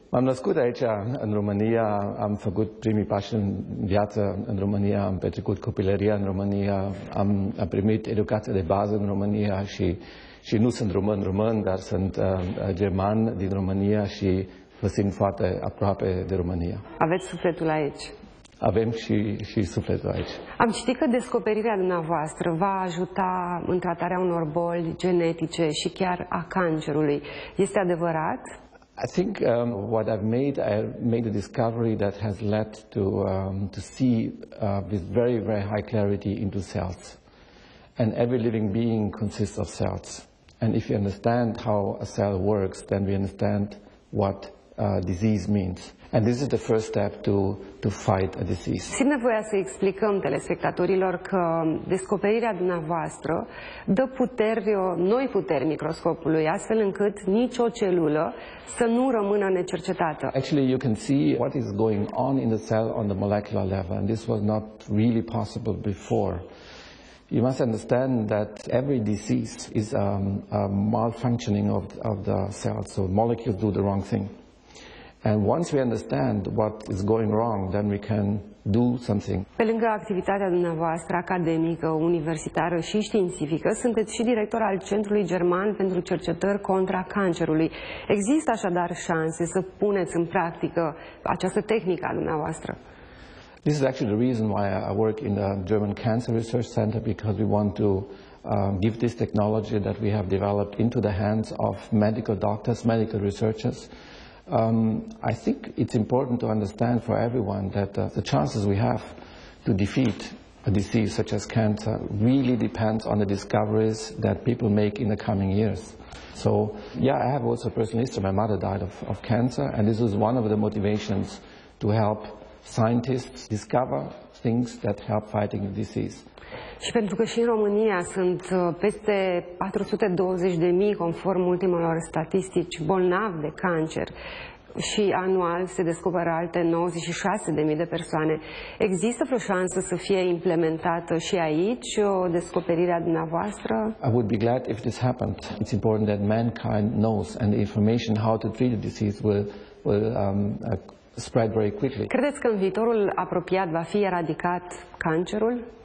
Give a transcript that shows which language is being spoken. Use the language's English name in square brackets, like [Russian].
[Romanian] M-am născut aici, în România, am făcut primii pași în viață în România, am petrecut copilăria în România, am primit educația de bază în România și nu sunt român, dar sunt german din România și mă simt foarte aproape de România. Aveți sufletul aici? Avem și sufletul aici. Am citit că descoperirea dumneavoastră va ajuta în tratarea unor boli genetice și chiar a cancerului. Este adevărat? [English] I think what I've made a discovery that has led to see with very very high clarity into cells. And every living being consists of cells. And if you understand how a cell works, then we understand what disease means. And this is the first step to fight a disease. [Romanian] Simt nevoia să explicăm telespectatorilor că descoperirea dumneavoastră dă puteri, noi puteri microscopului, astfel încât nicio celulă să nu rămână necercetată. [English] Actually, you can see what is going on in the cell on the molecular level, and this was not really possible before. You must understand that every disease is a malfunctioning of the cell, so molecules do the wrong thing. And once we understand what is going wrong, then we can do something. [Romanian] Pe lângă activitatea dumneavoastră academică, universitară și științifică, sunteți și director al Centrului German pentru Cercetări contra Cancerului. Există așadar șanse să puneți în practică această tehnică a dumneavoastră? [English] This is actually the reason why I work in the German Cancer Research Center, because we want to give this technology that we have developed into the hands of medical doctors, medical researchers. I think it's important to understand for everyone that the chances we have to defeat a disease such as cancer really depends on the discoveries that people make in the coming years. So, yeah, I have also a personal history. My mother died of cancer, and this is one of the motivations to help scientists discover things that help fighting the disease. [Romanian] Și pentru că și în România sunt peste 420.000, conform ultimelor statistici, bolnavi de cancer și anual se descoperă alte 96.000 de persoane, există vreo șansă să fie implementată și aici o descoperire a dumneavoastră? [English] I would be glad if this happened. It's important that mankind knows, and the information how to treat the disease will spread very quickly. [Romanian] Credeți că în viitorul apropiat va fi eradicat cancerul?